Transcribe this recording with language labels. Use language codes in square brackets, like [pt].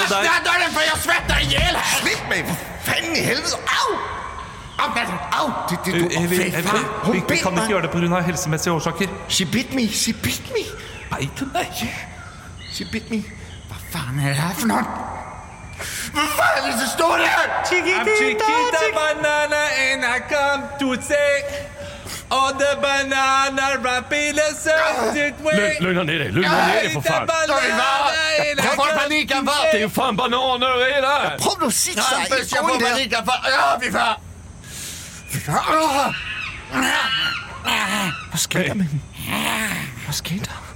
[sv] Öppna dörren för jag svettar ihjäl här! Slipp mig! Fan i helvete! Au! [no] Vi kan ikke gjøre det på grunn av helsemessige årsaker. [en] She bit me. [no] Biter meg. [en] She bit me. [no] Hva faen er det her for noen? Hva faen er det som står her? [en] Chiquitita banana and I come to say all the banana wrap in a certain way. [sv] Lugna ner dig, lugna ner dig för fan. Sorry, va? Jag får panika, va? Det är ju fan bananer i det här. Prova att sitta i gången. Jag får panika, va? Ja, vi fan. Vad ska jag med? Vad ska jag?